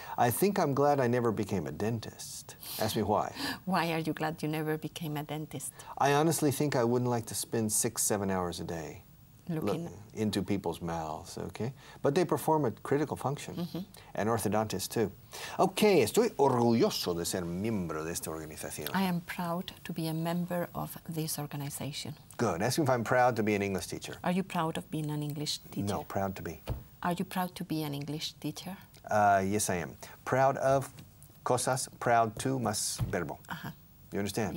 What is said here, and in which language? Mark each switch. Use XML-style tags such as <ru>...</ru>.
<en>I think I'm glad I never became a dentist. Ask me why. Why are you glad you never became a dentist? I honestly think I wouldn't like to spend 6-7 hours a day looking into people's mouths, okay? But they perform a critical function, and orthodontists too.</en> <es>Okay, estoy orgulloso de ser miembro de esta organización.</es> <en>I am proud to be a member of this organization. Good, ask me if I'm proud to be an English teacher. Are you proud of being an English teacher? No, proud to be. Are you proud to be an English teacher? Yes, I am. Proud of</en> <es>cosas,</es> <en>proud to,</en> <es>más verbo. Uh-huh.</es> <en>You understand?</en>